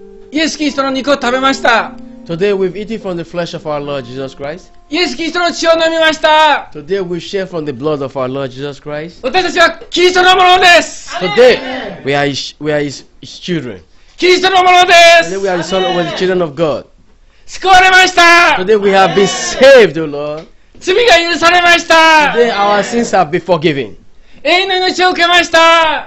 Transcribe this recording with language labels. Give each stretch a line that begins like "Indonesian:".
Japanese: イエス・キリストの肉を食べました。
English: Today we've eaten from the flesh of our Lord Jesus Christ.
Japanese: イエス・キリストの血を飲みました。
English: Today we share from the blood of our Lord Jesus Christ.
Japanese: 私たちはキリストのものです。
English: Today we are his children.
Japanese: キリストのものです。
English: Today we are the children of God.
Japanese: 救われました。
English: Today we have been saved, Lord.
Japanese: 罪が許されました。
English: Today our sins have been forgiven.
Japanese: 永遠の命を受けました。